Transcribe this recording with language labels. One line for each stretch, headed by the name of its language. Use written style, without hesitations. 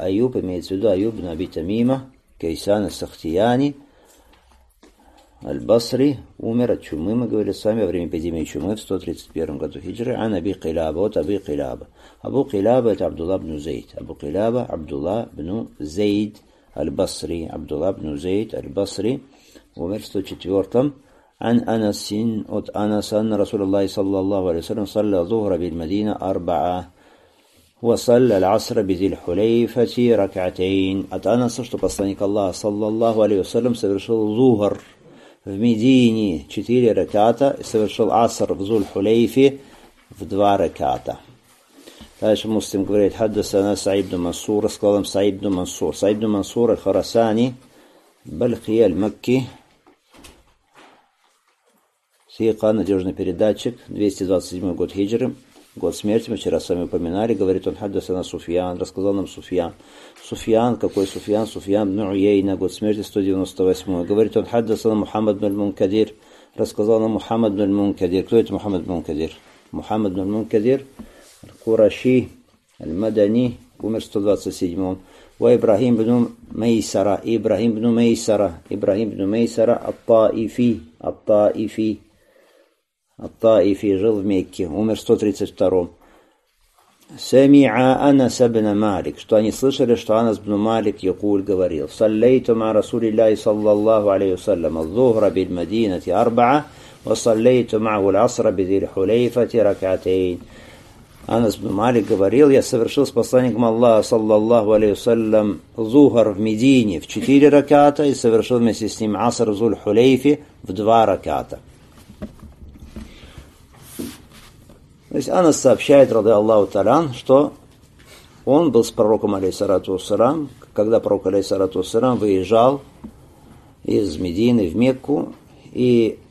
Russian: Аюб имеется в виду Аюб ибн Аби Тамима. Кайсан ас-Сахтияни. Аль-Басри. Умер от чумы, мы говорили с вами, во время эпидемии чумы в 131 году хиджры. Ан Аби Киляба. От Аби Киляба. Абу Киляба это Абдулла ибн Зейд. Абу Киляба Абдулла ибн Зейд. Аль-Басри. Абдулла ибн Зейд. Аль-Басри. Умер в 104-м.
Arabic: عن أنس أت أنس أن رسول الله صلى الله عليه وسلم صلى الظهر بالمدينة أربعة وصلى العصر بذي الحليفة ركعتين أت أنس
Russian: что посланник الله صلى الله عليه وسلم совершил ظهر в Медине четыре раката и совершил عصر в ذو الحليفة в два раката. Дальше Муслим говорит,
Arabic: حدثنا سعيد بن منصور,
Russian: сказал им سعيد بن منصور,
Arabic: سعيد بن منصور الخراساني بلخي المكي,
Russian: Сиха, надежный передатчик, 227 год хиджры, год смерти, мы вчера с вами упоминали, говорит он,
Arabic: хаддасана Суфьян,
Russian: рассказал нам Суфьян. Суфьян, какой Суфьян? Суфьян, Нуйейна, год смерти, 198. Говорит он,
Arabic: хаддасана
Russian: Мухаммад бин Мункадир, рассказал нам Мухаммад бин Мункадир. Кто это Мухаммад бин Мункадир? Мухаммад бин Мункадир, Кураши, Аль-Мадани, умер в 127. Ва Ибрахим бин Мейсара, Ибрахим бин Мейсара, Ибрахим бин Мейсара, Ат-Таифи, Ат-Таифи.
Arabic: الطائفي جل في مكة عمر 132 سمع أنس بن مالك
Russian: что они слышали что
Arabic: Анас бин Малик يقول
Russian: говорил
Arabic: صليت مع رسول الله صلى الله عليه وسلم الظهر بالمدينة أربعة وصليت معه العصر بذي الحليفة ركعتين.
Russian: Анас бин Малик говорил, я совершил с посланником Аллаха
Arabic: صلى الله عليه وسلم
Russian: ظهر в Медине в 4 раката и совершил вместе с ним عصر ذو الحليفة в 2 раката. То есть Анас сообщает, рады Аллаху Талян, что он был с пророком алейхиссалату вассалам, когда пророк алейхиссалату вассалам выезжал из Медины в Мекку, и